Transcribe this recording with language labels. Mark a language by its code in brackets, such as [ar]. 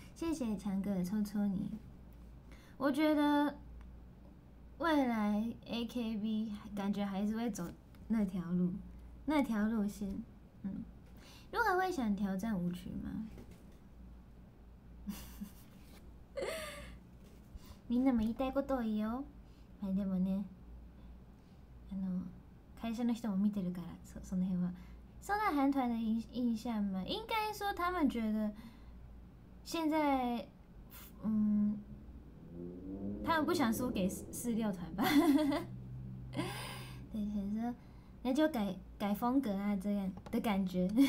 [zh] 谢谢强哥的抽抽你。我觉得未来 AKB 感觉还是会走那条路线。嗯，如果会想挑战舞曲吗？ [ja] みんなも言いたいことを言おう。まあでもね、 [zh] 台下的人我 [ja] 見てるから、その辺は。 [zh] 受到韓團的印象嗎？應該說他們覺得現在，他們不想輸給46團吧。對，想說那就改風格啊，這樣的感覺。